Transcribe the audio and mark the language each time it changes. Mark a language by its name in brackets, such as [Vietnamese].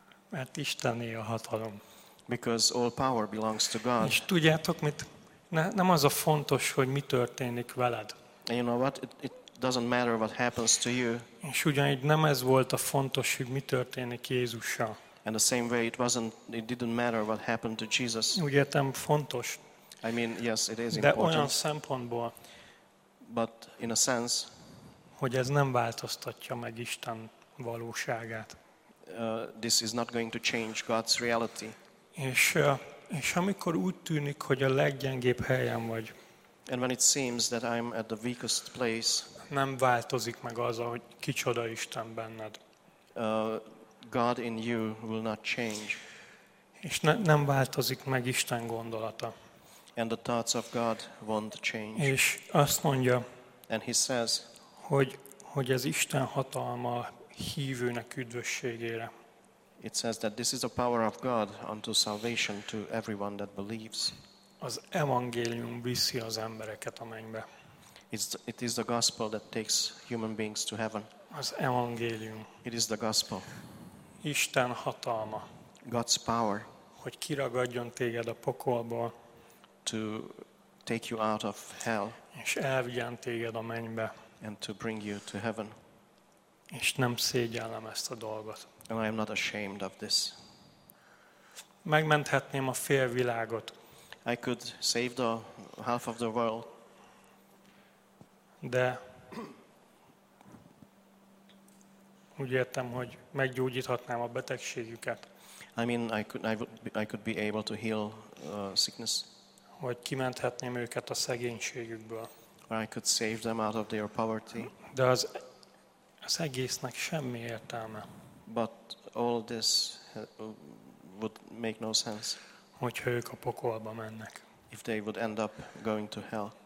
[Hungarian] Mert Istené a hatalom. [English] Because all power belongs to God. [Hungarian] És tudjátok mit? Nem az a fontos, hogy mi történik veled. [English] And you know what? It doesn't matter what happens to you. [Hungarian] És ugyanígy nem ez volt a fontos, hogy mi történik Jézussal. [English] And the same way it didn't matter what happened to Jesus. [Hungarian] Úgy értem, fontos. [English] I mean, yes, it is [Hungarian] de [English] important. [Hungarian] De olyan szempontból. [English] But in a sense. [Hungarian] Hogy ez nem változtatja meg Isten valóságát. [English] This is not going to change God's reality. [Hungarian] És amikor úgy tűnik, hogy a leggyengébb helyen vagy. [English] And when it seems that I'm at the weakest place. [Hungarian] Nem változik meg az, hogy kicsoda Isten benned. [English] God in you will not change. [Hungarian] És nem változik meg Isten gondolata. [English] And the thoughts of God won't change. [Hungarian] És azt mondja, [English] And he says, [Hungarian] hogy ez Isten hatalma hívőnek üdvösségére. [English] It says that this is the power of God unto salvation to everyone that believes. [Hungarian] Az evangélium viszi az embereket a mennybe. [English] It is the gospel that takes human beings to heaven. [Hungarian] Az evangélium. [English] It is the gospel. [Hungarian] Isten hatalma. [English] God's power. [Hungarian] Hogy kiragadjon téged a pokolból. [English] To take you out of hell. [Hungarian] És elvigyen téged a mennybe. [English] And to bring you to heaven. [Hungarian] És nem szégyellem ezt a dolgot. [English] And I am not ashamed of this. [Hungarian] Megmenthetném a fél világot. [English] I could save the half of the world. [Hungarian] De úgy értem, hogy meggyógyíthatnám a betegségüket. [English] I mean, I could be able to heal sickness. [Hungarian] Vagy kimenthetném őket a szegénységükből. [English] Or I could save them out of their poverty. [Hungarian] De az egésznek semmi értelme. [English] But all this would make no sense. [Hungarian] Hogyha ők a pokolba mennek. [English] If they would end up going to hell.